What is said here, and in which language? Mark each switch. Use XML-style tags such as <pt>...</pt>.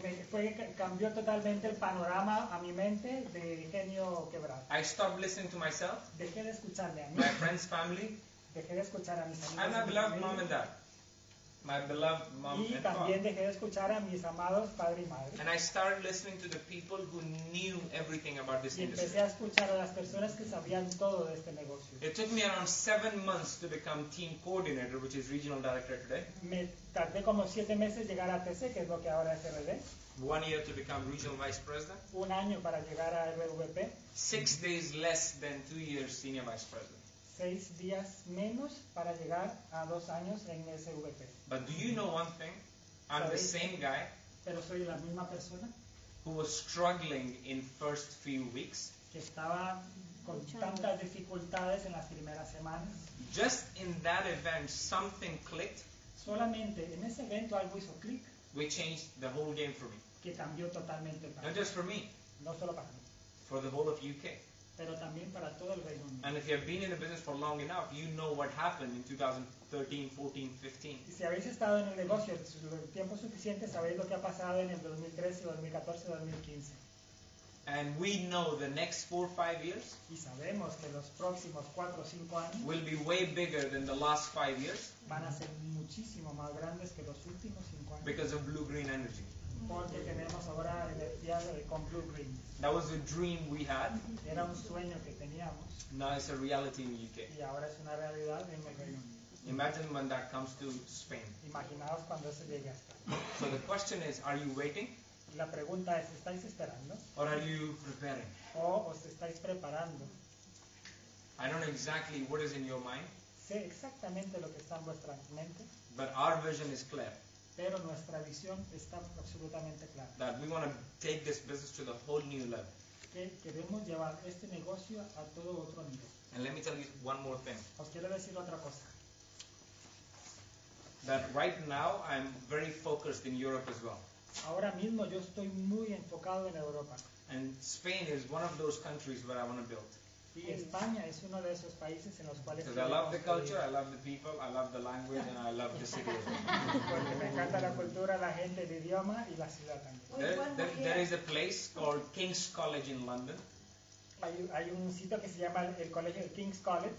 <es>Fue cambió totalmente el panorama a mi mente de genio quebrado.</es> <en>I stopped listening to myself.</en> <es>Dejé de escucharme a mí.</es> <en>My friends, family.</en> <es>Dejé de escuchar a mis amigos.</es> <en>And my beloved mom and dad. My beloved mom</en> <es>y también dejé de escuchar a mis amados padre y madre.</es> <en>And I started listening to the people who knew everything about this industry.</en> <es>Y empecé a escuchar a las personas que sabían todo de este negocio.</es> <en>It took me around 7 months to become team coordinator, which is regional director today.</en> <es>Me tardé como 7 meses llegar a TC, que es lo que ahora es RD.</es> <en>1 year to become regional vice president.</en> <es>Un año para llegar a RVP.</es> <en>6 days less than 2 years senior vice president.</en> <es>6 días menos para llegar a 2 años en SVP.</es> <en>But do you know one thing? I'm the same guy.</en> <es>Pero soy la misma persona.</es> <en>Who was struggling in first few weeks.</en> <es>Que estaba con tantas dificultades en las primeras semanas.</es> <en>Just in that event, something clicked.</en> <es>Solamente en ese evento algo hizo clic.</es> <en>We changed the whole game for me.</en> <es>Que cambió totalmente para mí.</es> <en>Not just for me.</en> <es>No solo para mí.</es> <en>For the whole of UK.</en> <es>Pero también para todo el Reino Unido.</es> <en>And if you have been in the business for long enough, you know what happened in 2013,</en> <es>14, 15. Si habéis estado en el negocio tiempo suficiente, sabéis lo que ha pasado en el 2013, 2014, 2015.</es> <en>And we know the next 4 or 5 years.</en> <es>Y sabemos que los próximos 4 o 5 años</es> <en>will be way bigger than the last 5 years.</en> <es>Van a ser muchísimo más grandes que los últimos 5 años.</es> <en>Because of blue green energy.</en> <es>Porque tenemos ahora energía con blue green.</es> <en>That was a dream we had.</en> <es>Era un sueño que teníamos.</es> <en>Now it's a reality in UK.</en> <es>Y ahora es una realidad en el Reino Unido.</es> <en>Imagine when that comes to Spain.</en> <es>Imaginaos cuando eso llegue a España.</es> <en>So the question is, are you waiting?</en> <es>La pregunta es, ¿estáis esperando?</es> <en>Or are you preparing?</en> <es>¿O os estáis preparando?</es> <en>I don't know exactly what is in your mind.</en> <es>Sé exactamente lo que está en vuestra mente.</es> <en>But our vision is clear.</en> <es>Pero nuestra visión está absolutamente clara.</es> <en>That we want to take this business to the whole new level.</en> <es>Que queremos llevar este negocio a todo otro nivel.</es> <en>And let me tell you one more thing.</en> <es>Os quiero decir otra cosa.</es> <en>That right now I'm very focused in Europe as well.</en> <es>Ahora mismo yo estoy muy enfocado en Europa.</es> <en>And Spain is one of those countries where I want to build.</en> <es>Y España es uno de esos países en los cuales quiero construir.</es> <en>I love the culture, I love the people, I love the language, and I love the city as well.</en> <es>Porque me encanta la cultura, la gente, el idioma y la ciudad también.</es> <en>There is a place called King's College in London.</en> <es>Hay un sitio que se llama el colegio de King's College.</es>